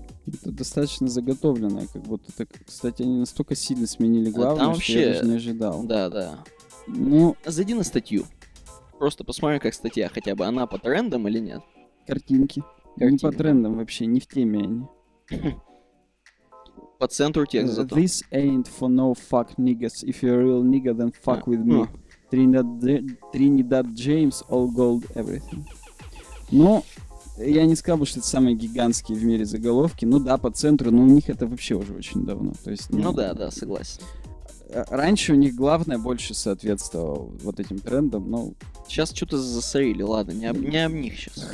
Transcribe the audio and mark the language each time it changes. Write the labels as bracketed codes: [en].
[ru] Это достаточно заготовленное, как будто так... Кстати, они настолько сильно сменили главную, там вообще... что я даже не ожидал. Да-да. Ну... Зайди на статью. Просто посмотрим, как статья хотя бы, она по трендам или нет. Картинки. Картинки. Не по трендам вообще, не в теме они. По центру текст зато. [en] This ain't for no fuck niggas. If you're a real nigga, then fuck with me. Trinidad James, all gold, everything. [ru] Ну, я не сказал бы, что это самые гигантские в мире заголовки. Ну да, по центру, но у них это вообще уже очень давно. То есть, ну, ну да, да, согласен. Раньше у них главное больше соответствовало вот этим трендам, но... Сейчас что-то засорили, ладно, не об них сейчас.